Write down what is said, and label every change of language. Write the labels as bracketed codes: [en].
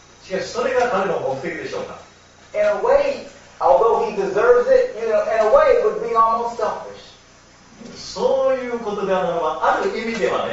[ja] しかしそれが彼の目的でしょうか。 [en] In a way, although he deserves it, you know, in a way, it would be almost selfish. [ja] そういうことであるならば、ある意味ではね。